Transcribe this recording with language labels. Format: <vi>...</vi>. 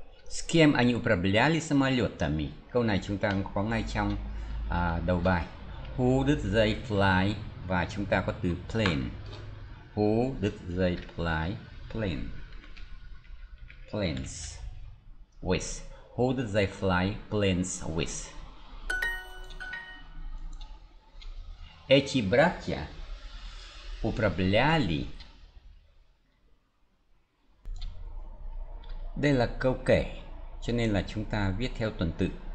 <ru>С кем они управляли самолетами?</ru> <vi>Câu này chúng ta có ngay trong đầu bài.</vi> <en>Who did they fly?</en> <vi>Và chúng ta có từ plane.</vi> <en>Who did they fly plane? Planes. With. Who did they fly planes with?</en> <ru>Эти братья управляли</ru> <vi>Đây là câu kể, cho nên là chúng ta viết theo tuần tự.</vi>